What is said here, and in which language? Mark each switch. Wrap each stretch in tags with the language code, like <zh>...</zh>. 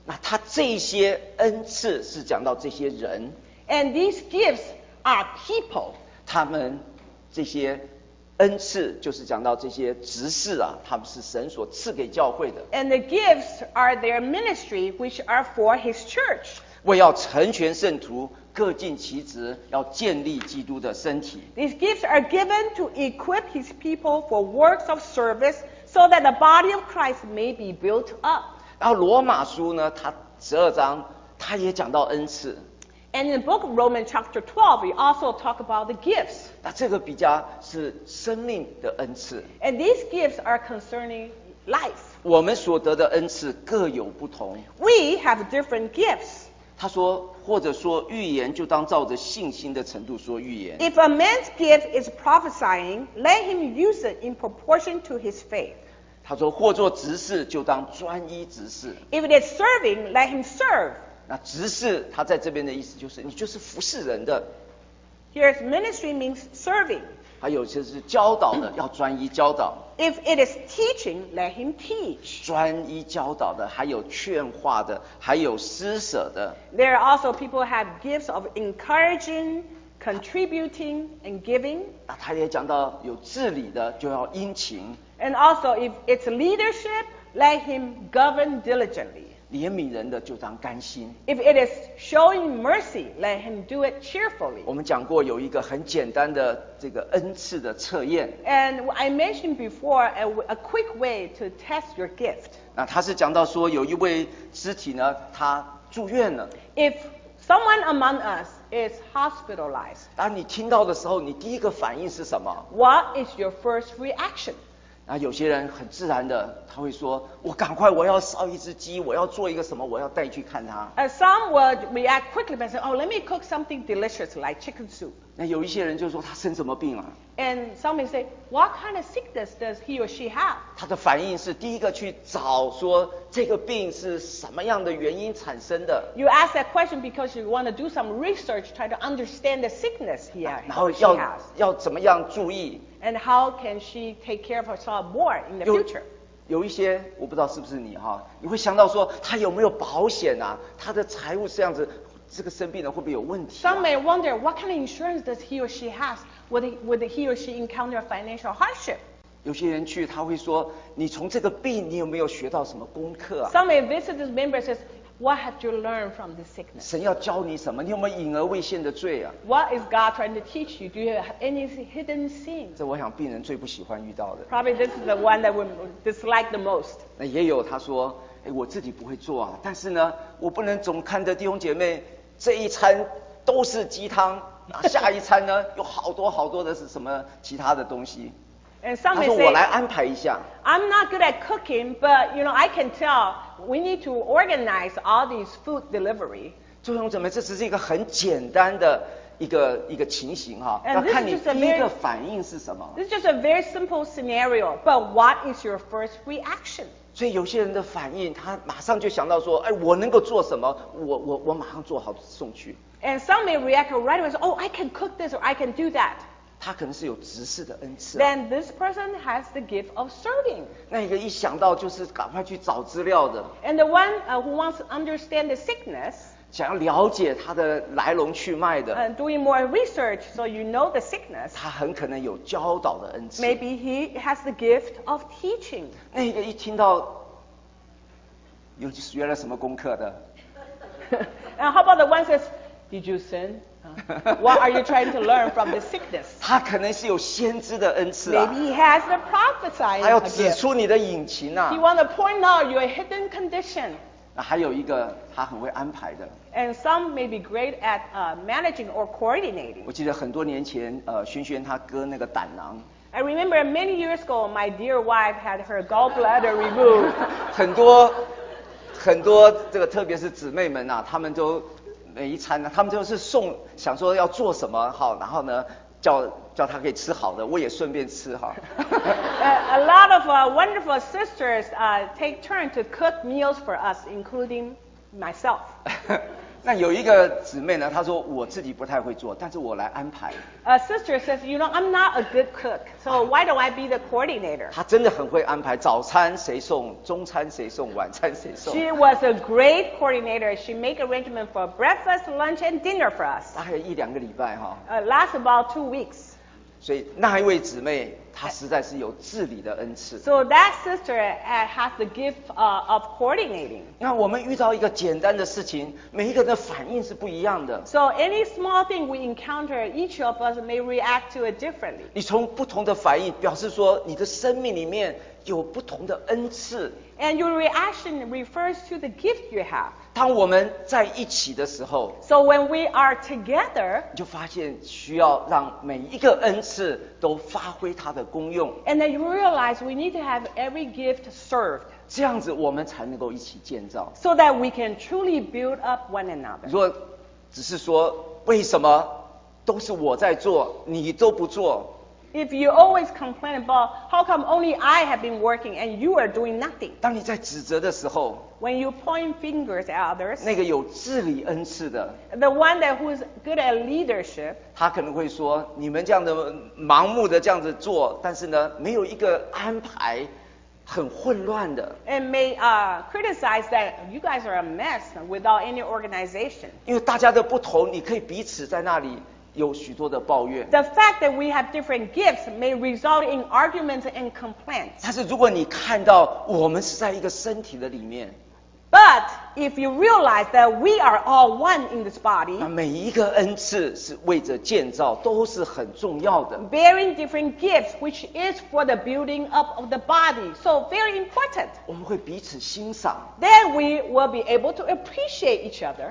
<zh>那他这些恩赐是讲到这些人。</zh> <en>And these gifts are people.</en> <zh>他们这些恩赐就是讲到这些执事啊，他们是神所赐给教会的。</zh> <en>And the gifts are their ministry, which are for His church.</en> <zh>为要成全圣徒，各尽其职，要建立基督的身体。</zh> <en>These gifts are given to equip His people for works of service, so that the body of Christ may be built up.</en> <zh>然后罗马书呢，它十二章，它也讲到恩赐。</zh> <en>And in the book of Romans chapter 12, we also talk about the gifts.</en> <zh>那这个比较是生命的恩赐。</zh> <en>And these gifts are concerning life.</en> <zh>我们所得的恩赐各有不同。</zh> <en>We have different gifts.</en> <zh>他说，或者说预言就当照着信心的程度说预言。</zh> <en>If a man's gift is prophesying, let him use it in proportion to his faith.</en> <zh>他说，或做执事就当专一执事。</zh> <en>If it is serving, let him serve.</en> <zh>那执事他在这边的意思就是你就是服侍人的。</zh> <en>Here's ministry means serving.</en> <zh>他有些是教导的，要专一教导。</zh> <en>If it is teaching, let him teach.</en> <zh>专一教导的，还有劝化的，还有施舍的。</zh> <en>There are also people have gifts of encouraging, contributing, and giving.</en> <zh>那他也讲到有治理的就要殷勤。</zh> <en>And also if it's leadership, let him govern diligently.</en> <zh>怜悯人的就当甘心。</zh> <en>If it is showing mercy, let him do it cheerfully.</en> <zh>我们讲过有一个很简单的这个恩赐的测验。</zh> <en>And I mentioned before a quick way to test your gift.</en> <zh>那他是讲到说有一位肢体呢，他住院了。</zh> <en>If someone among us is hospitalized.</en> <zh>当你听到的时候，你第一个反应是什么</zh> <en>？What is your first reaction?</en> <zh>那有些人很自然的，他会说：“我赶快，我要烧一只鸡，我要做一个什么，我要带去看他。”</zh> <en>Some would react quickly by saying, "Oh, let me cook something delicious like chicken soup."</en> <zh>那有一些人就说他生什么病啊</zh> <en>？And some may say, "What kind of sickness does he or she have?"</en> <zh>他的反应是第一个去找说这个病是什么样的原因产生的。</zh> <en>You ask that question because you want to do some research, try to understand the sickness he or she has.</en> <zh>然后要怎么样注意？</zh> <en>And how can she take care of herself more in the future?</en> <zh>有一些我不知道是不是你哈，你会想到说他有没有保险啊？他的财务是这样子，这个生病的会不会有问题、啊、</zh> <en>？Some may wonder what kind of insurance does he or she has? Would he or she encounter financial hardship?</en> <zh>有些人去他会说，你从这个病你有没有学到什么功课、啊、</zh> <en>？Some may visit this member says, What have you learned from this sickness?</en> <zh>神要教你什么？你有没有隐而未现的罪啊</zh> <en>？What is God trying to teach you? Do you have any hidden sin?</en> <zh>这我想病人最不喜欢遇到的。</zh> <en>Probably this is the one that we dislike the most.</en> <zh>那也有他说，哎，我自己不会做啊，但是呢，我不能总看着弟兄姐妹这一餐都是鸡汤，那下一餐呢，有好多好多的是什么其他的东西。</zh> <en>And some may say,</en> <zh>我来安排一下。</zh> <en>I'm not good at cooking, but you know, I can tell we need to organize all these food delivery.</en> <zh>弟兄姊妹，这只是一个很简单的一个情形哈，那看你第一个反应是什么。</zh> <en>This is just a very simple scenario, but what is your first reaction?</en> <zh>所以有些人的反应，他马上就想到说，哎，我能够做什么？我马上做好送去。</zh> <en>And some may react right away, oh, I can cook this or I can do that.</en> <zh>他可能是有执事的恩赐。</zh> <en>Then this person has the gift of serving.</en> <zh>那一个一想到就是赶快去找资料的。</zh> <en>And the one who wants to understand the sickness.</en> <zh>想要了解他的来龙去脉的。</zh> <en>Doing more research so you know the sickness.</en> <zh>他很可能有教导的恩赐。</zh> <en>Maybe he has the gift of teaching.</en> <zh>那个一听到，有学了什么功课的？</zh> <en>And how about the one says, Did you sin? What are you trying to learn from the sickness?</en> <zh>他可能是有先知的恩赐啊。</zh> <en>Maybe he has the prophesying.</en> <zh>他要指出你的隐情啊。</zh> <en>He want to point out your hidden condition.</en> <zh>还有一个他很会安排的。</zh> <en>And some may be great at managing or coordinating.</en> <zh>我记得很多年前，萱萱她割那个胆囊。</zh> <en>I remember many years ago, my dear wife had her gallbladder removed.</en> <zh>很多很多这个特别是姊妹们啊，她们都每一餐呢，她们都是送想说要做什么好，然后呢叫她可以吃好的，我也顺便吃哈。</zh> <en>A lot of wonderful sisters take turn to cook meals for us, including myself.</en> <zh>那有一个姊妹呢，她说我自己不太会做，但是我来安排。</zh> <en>A sister says, you know, I'm not a good cook, so why do I be the coordinator?</en> <zh>她真的很会安排，早餐谁送，中餐谁送，晚餐谁送。</zh> <en>She was a great coordinator. She make arrangement for breakfast, lunch, and dinner for us.</en> <zh>大概一两个礼拜哈。</zh> <en>Last about 2 weeks.</en> <zh>所以那一位姊妹，她实在是有治理的恩赐。</zh> <en>So that sister has the gift of coordinating.</en> <zh>那我们遇到一个简单的事情，每一个人的反应是不一样的。</zh> <en>So any small thing we encounter, each of us may react to it differently.</en> <zh>你从不同的反应，表示说你的生命里面有不同的恩赐。</zh> <en>And your reaction refers to the gift you have.</en> <zh>当我们在一起的时候</zh> <en>，So when we are together，</en> <zh>你就发现需要让每一个恩赐都发挥它的功用。</zh> <en>And then you realize we need to have every gift served。</en> <zh>这样子我们才能够一起建造。</zh> <en>So that we can truly build up one another。</en> <zh>如果只是说为什么都是我在做，你都不做？</zh> <en>If you always complain about how come only I have been working and you are doing nothing.</en> <zh>当你在指责的时候</zh> <en>When you point fingers at others.</en> <zh>那个有治理恩赐的</zh> <en>The one that who is good at leadership.</en> <zh>他可能会说你们这样的盲目的这样子做但是呢没有一个安排很混乱的</zh> <en>And may criticize that you guys are a mess without any organization.</en> <zh>因为大家的不同你可以彼此在那里有许多的抱怨。</zh> <en>The fact that we have different gifts may result in arguments and complaints.</en> <zh>但是如果你看到我们是在一个身体的里面。</zh> <en>But if you realize that we are all one in this body.</en> <zh>那每一个恩赐是为着建造，都是很重要的。</zh> <en>Bearing different gifts, which is for the building up of the body, so very important.</en> <zh>我们会彼此欣赏。</zh> <en>Then we will be able to appreciate each other.</en>